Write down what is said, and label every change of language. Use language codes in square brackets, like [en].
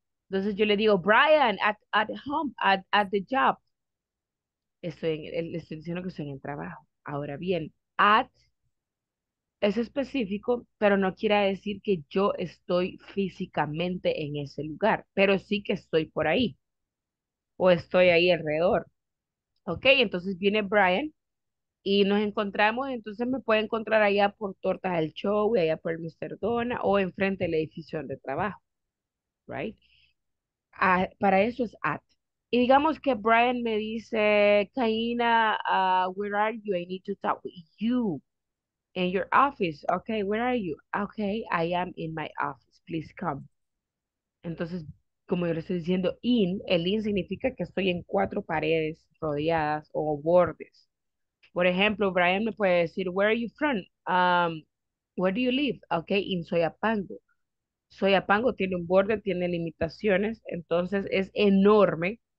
[es] Entonces yo le digo, Brian, [en] at home, at the job. [es] Estoy diciendo que estoy en el trabajo. Ahora bien, at es específico, pero no quiere decir que yo estoy físicamente en ese lugar, pero sí que estoy por ahí, o estoy ahí alrededor. Ok, entonces viene Brian, y nos encontramos, entonces me puede encontrar allá por Tortas del Show, y allá por el Mr. Dona, o enfrente del edificio donde trabajo. [en] Right? [es] Para eso es at. Y digamos que Brian me dice, Kaina, [en] where are you? I need to talk with you in your office. Okay, where are you? Okay, I am in my office. Please come. [es] Entonces, como yo le estoy diciendo in, el in significa que estoy en cuatro paredes rodeadas o bordes. Por ejemplo, Brian me puede decir, [en] where are you from? Where do you live? [es] Okay, in Soyapango. Soyapango tiene un borde, tiene limitaciones, entonces es enorme.